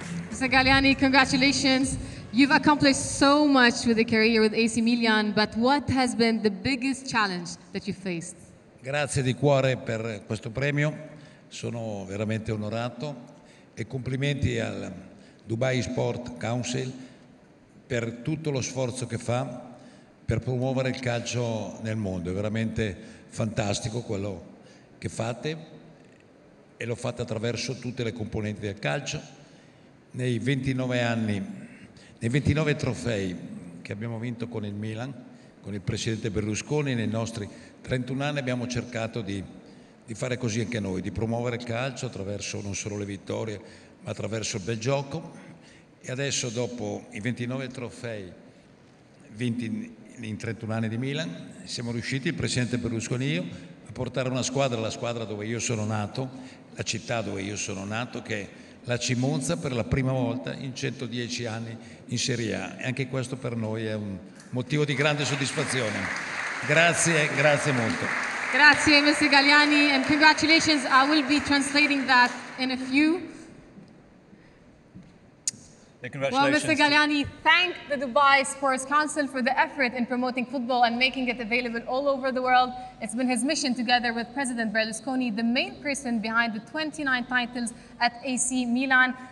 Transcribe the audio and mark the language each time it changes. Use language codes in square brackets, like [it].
[en] Mr. Galliani, congratulations. You've accomplished so much with the career with AC Milan, but what has been the biggest challenge that you faced? [it] Grazie di cuore per questo premio. Sono veramente onorato e complimenti al Dubai Sport Council per tutto lo sforzo che fa per promuovere il calcio nel mondo. È veramente fantastico quello che fate e lo fate attraverso tutte le componenti del calcio. Nei 29 anni, nei 29 trofei che abbiamo vinto con il Milan, con il presidente Berlusconi, nei nostri 31 anni abbiamo cercato di fare così anche noi, di promuovere il calcio attraverso non solo le vittorie, ma attraverso il bel gioco. E adesso dopo i 29 trofei vinti in 31 anni di Milan, siamo riusciti, il presidente Berlusconi e io, a portare una squadra, la squadra dove io sono nato, la città dove io sono nato, che la Cimonza per la prima volta in 110 anni in Serie A. E anche questo per noi è un motivo di grande soddisfazione. Grazie, grazie molto. [en] Grazie, Mr. Galliani, and congratulations. I will be translating that in a few. Congratulations. Well, Mr. Galliani, thank the Dubai Sports Council for the effort in promoting football and making it available all over the world. It's been his mission, together with President Berlusconi, the main person behind the 29 titles at AC Milan.